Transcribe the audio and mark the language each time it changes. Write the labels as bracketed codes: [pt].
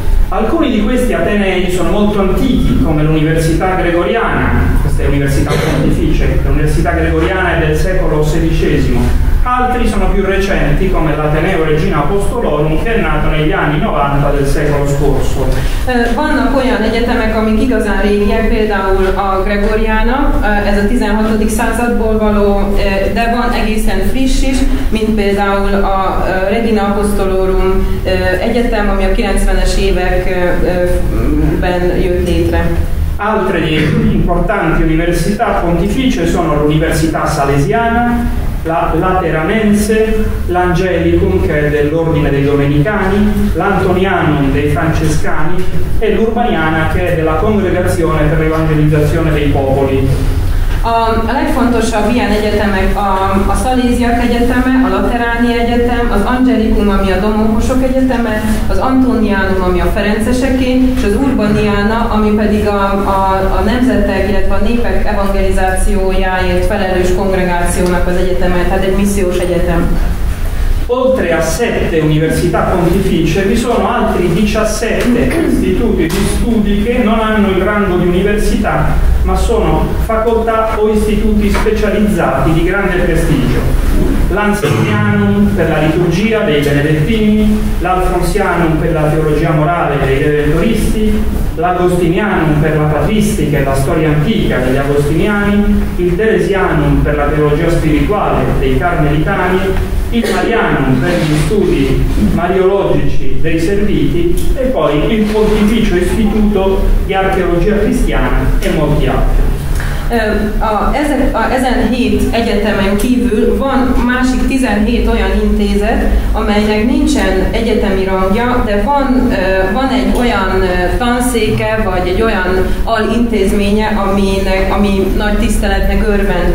[it] Alcuni di questi atenei sono molto antichi, come l'Università Gregoriana, questa è l'Università Pontificia, l'Università Gregoriana è del secolo XVI. Altri sono più recenti, come l'Ateneo Regina Apostolorum, che è nato negli anni 90 del secolo scorso. [hu] Vannak olyan egyetemek, amik igazán régiek, például a Gregoriana, ez a 16. századból való, de van egészen friss is, mint például a Regina Apostolorum egyetem, ami a 90-es években jött létre. [it] Altre importanti università pontificie sono l'Università Salesiana, la Lateranense, l'Angelicum, che è dell'Ordine dei Domenicani, l'Antonianum dei Francescani e l'Urbaniana, che è della Congregazione per l'Evangelizzazione dei Popoli. [hu] A legfontosabb ilyen egyetemek a Szalíziak Egyeteme, a Lateráni Egyetem, az Angelikum, ami a Domonkosok Egyeteme, az Antonianum, ami a Ferenceseké, és az Urbaniana, ami pedig a nemzetek, illetve a népek evangelizációjáért felelős kongregációnak az egyeteme, tehát egy missziós egyetem. [it] Oltre a 7 università pontificie, vi sono altri 17 istituti di studi che non hanno il rango di università, ma sono facoltà o istituti specializzati di grande prestigio. L'Ansignanum per la liturgia dei Benedettini, l'Alfonsianum per la teologia morale dei Redentoristi, l'Agostinianum per la patristica e la storia antica degli Agostiniani, il Teresianum per la teologia spirituale dei Carmelitani, il Marianum per gli studi mariologici dei Serviti e poi il Pontificio Istituto di Archeologia Cristiana e molti altri. [hu] Ezen 7 egyetemen kívül van másik 17 olyan intézet, amelynek nincsen egyetemi rangja, de van egy olyan tanszéke, vagy egy olyan alintézménye, ami nagy tiszteletnek örvend.